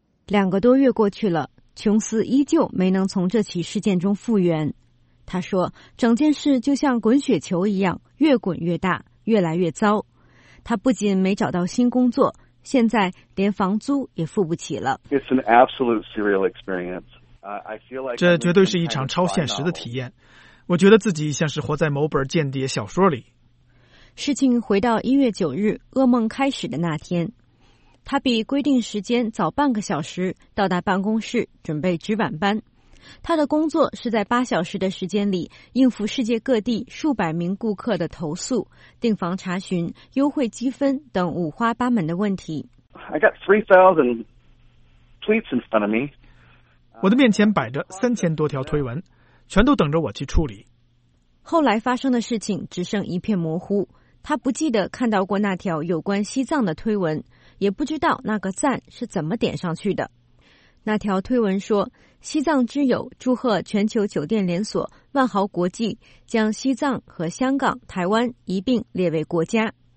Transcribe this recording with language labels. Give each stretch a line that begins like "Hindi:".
Chinese: 两个多月过去了，琼斯依旧没能从这起事件中复原。他说，整件事就像滚雪球一样，越滚越大，越来越糟。他不仅没找到新工作，现在连房租也付不起了。
English: It's an absolute surreal experience.
Chinese: 这绝对是一场超现实的体验，我觉得自己像是活在某本间谍小说里。事情回到1月9日噩梦开始的那天，他比规定时间早半个小时到达办公室准备值晚班。他的工作是在8小时的时间里应付世界各地数百名顾客的投诉、订房查询、优惠积分等五花八门的问题。
English: I got 3,000 tweets in front of me.
Chinese: 我的面前摆着3000多条推文，全都等着我去处理。后来发生的事情只剩一片模糊，他不记得看到过那条有关西藏的推文，也不知道那个赞是怎么点上去的。那条推文说，西藏之友祝贺全球酒店连锁万豪国际将西藏和香港、台湾一并列为国家。